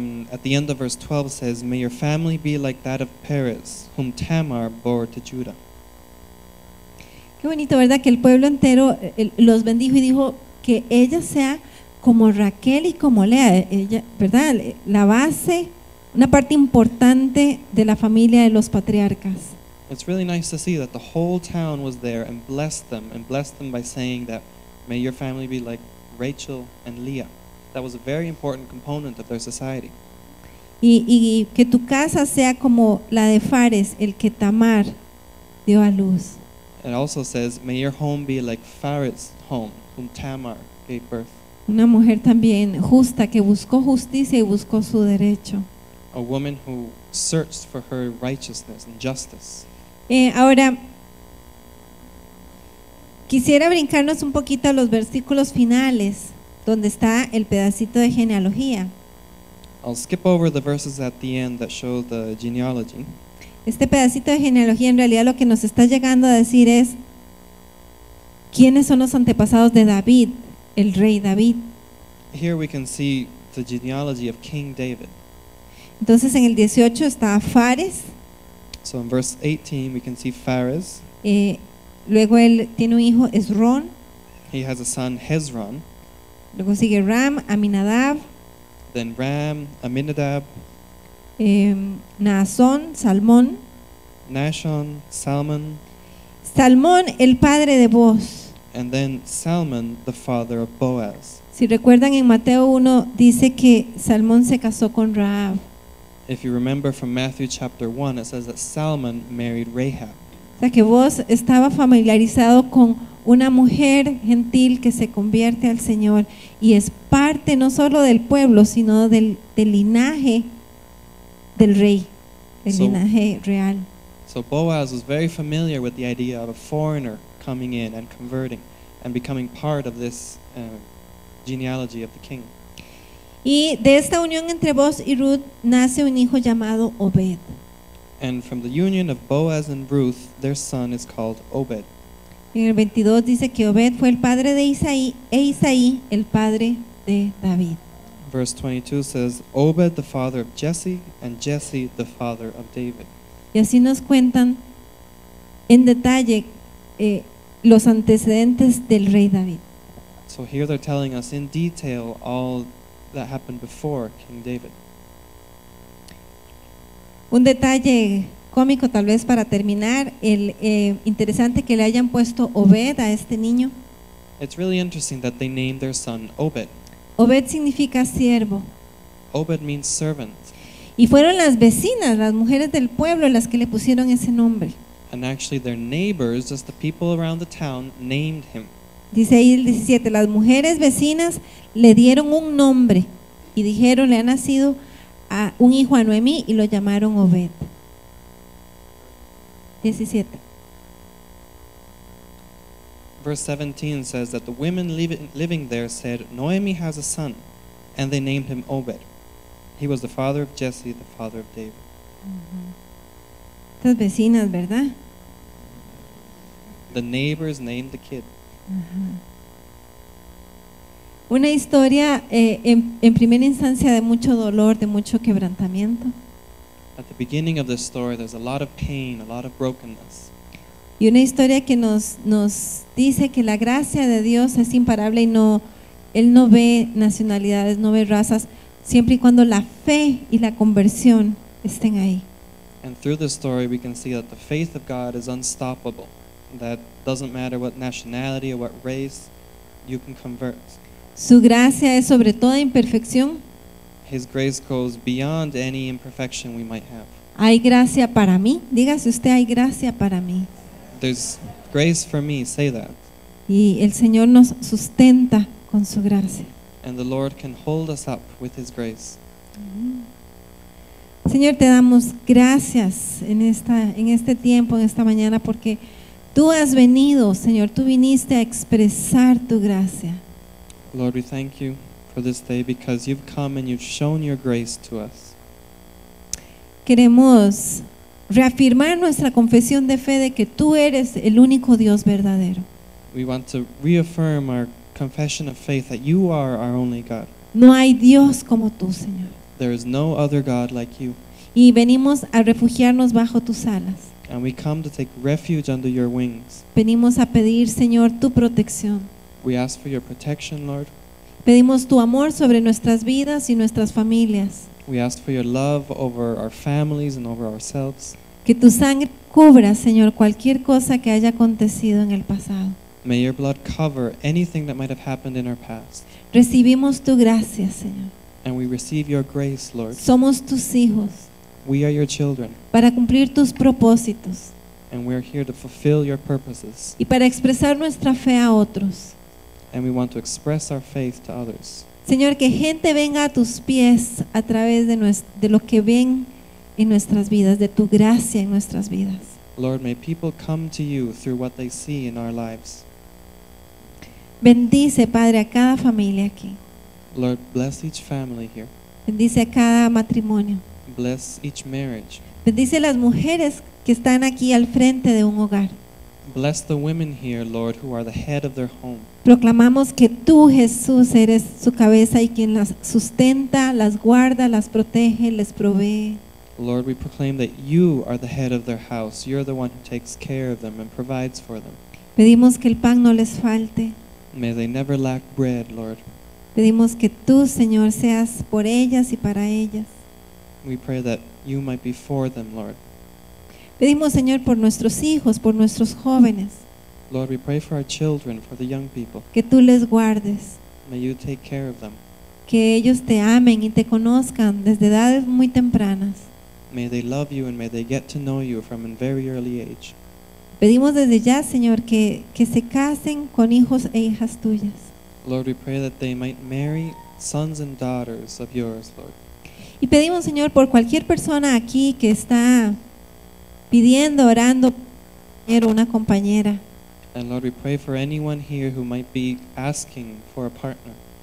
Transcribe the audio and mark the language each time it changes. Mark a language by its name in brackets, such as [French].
[English] At the end of verse 12 says, may your family be like that of Perez, whom Tamar bore to Judah. [Spanish] Qué bonito, ¿verdad? Que el pueblo entero los bendijo y dijo que ella sea como Raquel y como Lea. Ella, ¿verdad? La base, una parte importante de la familia de los patriarcas. [English] It's really nice to see that the whole town was there and blessed them by saying that may your family be like Rachel and Leah. That was a very important component of their society. [Spanish] Y que tu casa sea como la de Fares, el que Tamar dio a luz. [English] It also says, may your home be like Fares' home, whom Tamar gave birth. [Spanish] Una mujer también justa que buscó justicia y buscó su derecho. [English] A woman who searched for her righteousness and justice. [Spanish] Ahora quisiera brincarnos un poquito a los versículos finales donde está el pedacito de genealogía. [English] I'll skip over the verses at the end that show the genealogy. [Spanish] Este pedacito de genealogía en realidad lo que nos está llegando a decir es quiénes son los antepasados de David, el rey David. [English] Here we can see the genealogy of King David. [Spanish] Entonces en el 18 está Fares. [English] So in verse 18 we can see Fares. [Spanish] Luego él tiene un hijo, Esrón. [English] He has a son, Hezrón. [Spanish] Luego sigue Ram, Aminadab. [English] Then Ram, Aminadab. [Spanish] Naasón, Salmón. [English] Naasón, Salmón. [Spanish] Salmón, el padre de Boaz. [English] And then Salmon, the father of Boaz. [Spanish] Si recuerdan en Mateo 1 dice que Salmón se casó con Rahab. [English] If you remember from Matthew chapter 1 it says that Salmon married Rahab. [Spanish] O sea que Boaz estaba familiarizado con una mujer gentil que se convierte al Señor y es parte no solo del pueblo sino del linaje del rey, del linaje real. [English] So Boaz was very familiar with the idea of a foreigner coming in and converting and becoming part of this genealogy of the king. [Spanish] Y de esta unión entre Boaz y Ruth nace un hijo llamado Obed. [English] And from the union of Boaz and Ruth, their son is called Obed. [Spanish] En el 22 dice que Obed fue el padre de Isaí e Isaí el padre de David. [English] Verse 22 says, Obed the father of Jesse and Jesse the father of David. [Spanish] Y así nos cuentan en detalle los antecedentes del rey David. [English] So here they're telling us in detail all that happened before King David. [Spanish] Un detalle cómico tal vez para terminar, el interesante que le hayan puesto Obed a este niño. [English] It's really interesting that they named their son Obed. [Spanish] Obed significa siervo. [English] Obed means servant. [Spanish] Y fueron las vecinas, las mujeres del pueblo las que le pusieron ese nombre. [English] And actually their neighbors, just the people around the town, named him. [Spanish] Dice ahí el 17, las mujeres vecinas le dieron un nombre y dijeron, le ha nacido a un hijo a Noemí y lo llamaron Obed. [English] 17. Verse 17 says that the women living there said, Noemi has a son, and they named him Obed. He was the father of Jesse, the father of David. [Spanish] Estas vecinas, ¿verdad? [English] The neighbors named the kid. [Spanish] Una historia en primera instancia de mucho dolor, de mucho quebrantamiento. [English] At the beginning of this story, there's a lot of pain, a lot of brokenness. [Spanish] Y una historia que nos dice que la gracia de Dios es imparable y no, Él no ve nacionalidades, no ve razas, siempre y cuando la fe y la conversión estén ahí. [English] And through this story we can see that the faith of God is unstoppable. That doesn't matter what nationality or what race, you can convert. [Spanish] Su gracia es sobre toda imperfección. [English] His grace goes beyond any imperfection we might have. [Spanish] Hay gracia para mí. Dígase usted, hay gracia para mí. [English] There's grace for me, say that. [Spanish] Y el Señor nos sustenta con su gracia. [English] And the Lord can hold us up with his grace. [Spanish] Señor, te damos gracias en este tiempo, en esta mañana, porque tú has venido, Señor, tú viniste a expresar tu gracia. [English] Lord, we thank you for this day because you've come and you've shown your grace to us. [Spanish] Queremos reafirmar nuestra confesión de fe de que tú eres el único Dios verdadero. [English] We want to reaffirm our confession of faith that you are our only God. [Spanish] No hay Dios como tú, Señor. [English] There is no other God like you. [Spanish] Y venimos a refugiarnos bajo tus alas. [English] And we come to take refuge under your wings. [Spanish] Venimos a pedir, Señor, tu protección. [English] We ask for your protection, Lord. [Spanish] Pedimos tu amor sobre nuestras vidas y nuestras familias. [English] We ask for your love over our families and over ourselves. [Spanish] Que tu sangre cubra, Señor, cualquier cosa que haya acontecido en el pasado. [English] May your blood cover anything that might have happened in our past. [Spanish] Recibimos tu gracia, Señor. [English] And we receive your grace, Lord. [Spanish] Somos tus hijos. [English] We are your children. [Spanish] Para cumplir tus propósitos. [English] And we are here to fulfill your purposes. [Spanish] Y para expresar nuestra fe a otros. [English] And we want to express our faith to others. [Spanish] Señor, que gente venga a tus pies a través de lo que ven en nuestras vidas, de tu gracia en nuestras vidas. [English] Lord, may people come to you through what they see in our lives. [Spanish] Bendice, Padre, a cada familia aquí. [English] Lord, bless each family here. [Spanish] Bendice a cada matrimonio. [English] Bless each marriage. [Spanish] Bendice las mujeres que están aquí al frente de un hogar. [English] Bless the women here, Lord, who are the head of their home. [Spanish] Proclamamos que tú, Jesús, eres su cabeza y quien las sustenta, las guarda, las protege, les provee. [English] Lord, we proclaim that you are the head of their house. You're the one who takes care of them and provides for them. [Spanish] Pedimos que el pan no les falte. [English] May they never lack bread, Lord. [Spanish] Pedimos que tú, Señor, seas por ellas y para ellas. [English] We pray that you might be for them, Lord. [Spanish] Pedimos, Señor, por nuestros hijos, por nuestros jóvenes. [English] Lord, we pray for our children, for the young people. [Spanish] Que tú les guardes. [English] May you take care of them. [Spanish] Que ellos te amen y te conozcan desde edades muy tempranas. [English] May they love you and may they get to know you from a very early age. [Spanish] Pedimos desde ya, Señor, que se casen con hijos e hijas tuyas. [English] Lord, we pray that they might marry sons and daughters of yours, Lord. [Spanish] Y pedimos, Señor, por cualquier persona aquí que está pidiendo, orando, por una compañera. [English] And Lord, we pray for anyone here who might be asking for a partner.